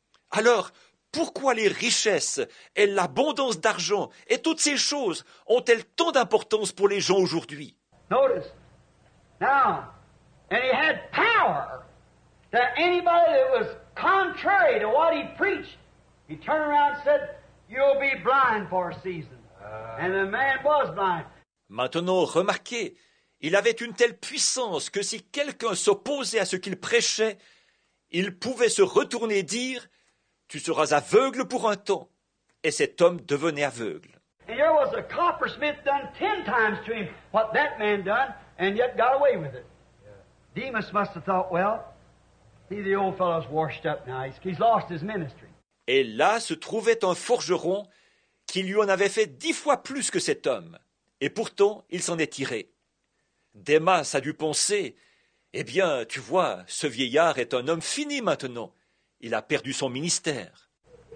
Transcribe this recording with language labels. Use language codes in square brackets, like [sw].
[fr] Alors, pourquoi les richesses et l'abondance d'argent et toutes ces choses ont-elles tant d'importance pour les gens aujourd'hui? [en] Notice. Now, and he had power that anybody that was contrary to what he preached, he turned around and said, you'll be blind for a season. And the man was blind. [fr] Maintenant, remarquez, il avait une telle puissance que si quelqu'un s'opposait à ce qu'il prêchait, il pouvait se retourner et dire, tu seras aveugle pour un temps. Et cet homme devenait aveugle. [en] And there was a coppersmith done 10 times to him what that man done, and yet got away with it. Demas must have thought, well, see, the old fellow's washed up now. He's lost his ministry. [fr] Et là se trouvait un forgeron qui lui en avait fait 10 fois plus que cet homme. Et pourtant, il s'en est tiré. Démas a dû penser, « Eh bien, tu vois, ce vieillard est un homme fini maintenant. Il a perdu son ministère. »